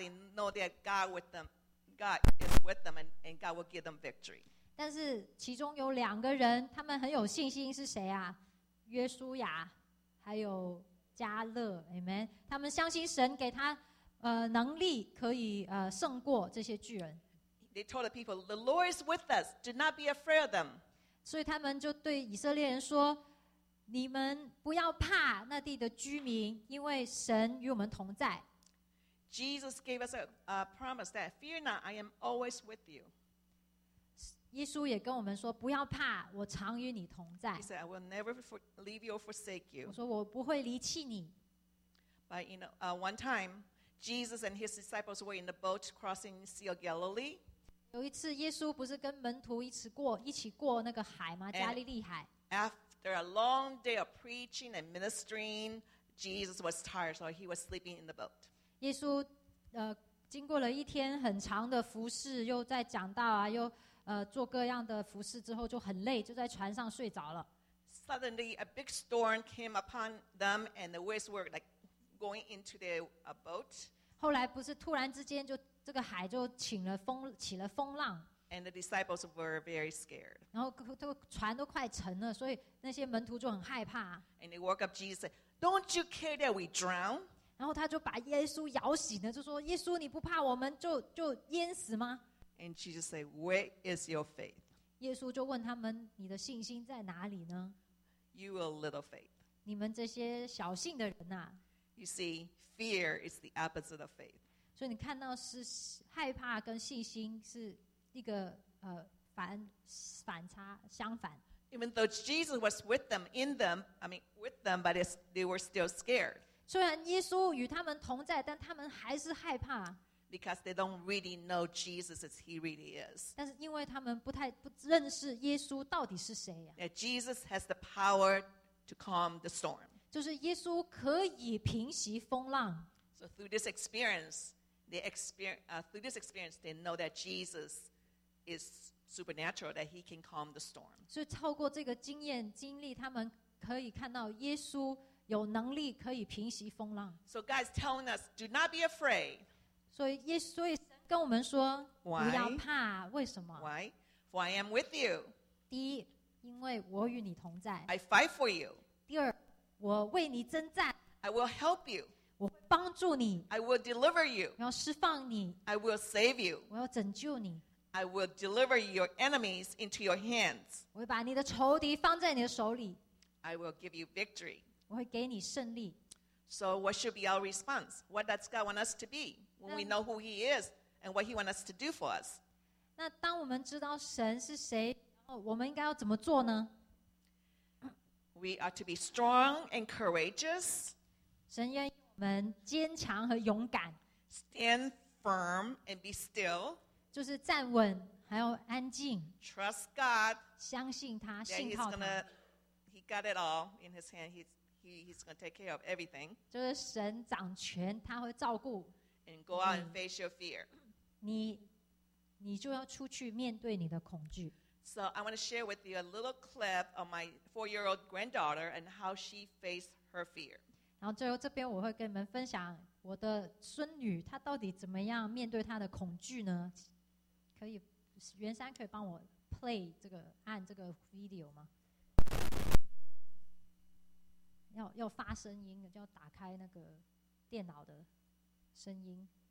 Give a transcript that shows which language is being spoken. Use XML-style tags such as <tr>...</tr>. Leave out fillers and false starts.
<en>They know that God with them, God is with them, and God will give them victory.</en> <zh>但是其中有两个人，他们很有信心，是谁啊？约书亚还有加勒 ，Amen. 他们相信神给他能力，可以胜过这些巨人。</zh> <en>They told the people, "The Lord is with us. Do not be afraid of them."</en> <zh>所以他们就对以色列人说，你们不要怕那地的居民，因为神与我们同在。</zh> <en>Jesus gave us a promise that fear not, I am always with you.</en> <zh>耶稣也跟我们说，不要怕，我常与你同在。</zh> <en>He said, I will never leave you or forsake you.</en> <zh>我说我不会离弃你。</zh> <en>But you know, one time, Jesus and his disciples were in the boat crossing the Sea of Galilee.</en> <zh>有一次耶稣不是跟门徒一起过那个海吗？加利利海。</zh> <en>After a long day of preaching and ministering, Jesus was tired, so he was sleeping in the boat.</en> <zh>耶稣经过了一天很长的服侍，又在讲道啊，又做各样的服侍之后就很累，就在船上睡着了。</zh> <en>Suddenly a big storm came upon them and the waves were like going into their boat.</en> <zh>后来不是突然之间就这个海就起了风浪</zh> <en>and the disciples were very scared.</en> <zh>然后这个船都快沉了，所以那些门徒就很害怕。</zh> <en>And they woke up Jesus and said, "Don't you care that we drown?"</en> <zh>然后他就把耶稣摇醒了，就说，耶稣你不怕我们就淹死吗？</zh> <en>And Jesus said, "Where is your faith?"</en> <zh>耶稣就问他们，你的信心在哪里呢？</zh> <en>You a little faith.</en> <zh>你们这些小信的人啊。</zh> <en>You see, fear is the opposite of faith.</en> <zh>所以你看到是害怕跟信心是一个反差相反。</zh> <en>Even though Jesus was with them, but they were still scared.</en> <zh>虽然耶稣与他们同在，但他们还是害怕。</zh> <en>Because they don't really know Jesus as he really is.</en> <zh>但是因为他们不认识耶稣到底是谁呀、</zh> <en>啊、？That Jesus has the power to calm the storm.</en> <zh>就是耶稣可以平息风浪。</zh> <en>So through this experience. Through this experience, they know that Jesus is supernatural, that he can calm the storm.</en> <zh>所以透过这个经验经历，他们可以看到耶稣有能力可以平息风浪。</zh> <en>So God is telling us, do not be afraid.</en> <zh>所以神跟我们说</zh> <en>Why?</en> <zh>不要怕，为什么</zh> <en>？Why? For I am with you.</en> <zh>第一，因为我与你同在。</zh> <en>I fight for you.</en> <zh>第二，我为你征战。</zh> <en>I will help you.</en> <zh>我会帮助你。</zh> <en>I will deliver you.</en> <zh>我要释放你。</zh> <en>I will save you.</en> <zh>我要拯救你。</zh> <en>I will deliver your enemies into your hands.</en> <zh>我会把你的仇敌放在你的手里。</zh> <en>I will give you victory.</en> <zh>我会给你胜利。</zh> <en>So what should be our response? What does God want us to be when we know who He is and what He wants us to do for us?</en> <zh>那当我们知道神是谁，我们应该要怎么做呢？</zh> <en>We are to be strong and courageous.</en> <zh>神愿意我们坚强和勇敢。</zh> <en>Stand firm and be still.</en> <zh>就是站稳，还要安静。</zh> <en>Trust God.</en> <zh>相信他，信靠他。</zh> <en>Yeah, he got it all in His hand. He's going to take care of everything.</en> <zh>就是神掌权，他会照顾。</zh> <en>And go out and face your fear.</en> <zh>你就要出去面对你的恐惧。</zh> <en>So I want to share with you a little clip of my 4-year-old granddaughter and how she faced her fear.</en> <zh>然后最后这边我会跟你们分享我的孙女她到底怎么样面对她的恐惧呢？可以，袁山可以帮我 play 这个按这个 video 吗？要发声音，要打开那个电脑的声音。</zh>